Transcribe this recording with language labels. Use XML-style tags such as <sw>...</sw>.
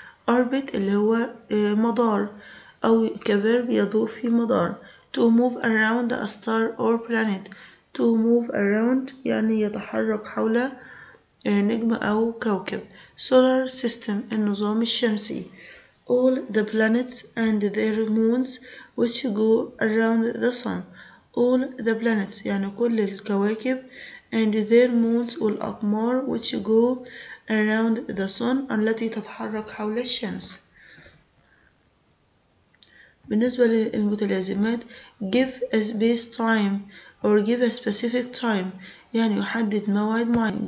<ar>Orbit اللي هو مدار أو كفيرب يدور في مدار.</ar> <en>To move around a star or planet. To move around</en> <ar>يعني يتحرك حول نجم أو كوكب.</ar> <en>Solar system</en> <ar>النظام الشمسي.</ar> <en>All the planets and their moons which go around the sun. All the planets</en> <ar>يعني كل الكواكب.</ar> <en>And their moons</en> <ar>والأقمار</ar> <en>which go around the sun</en> <ar>التي تتحرك حول الشمس. بالنسبة للمتلازمات</ar> <en>give a space time or give a specific time</en> <ar>يعني يحدد موعد معين.</ar>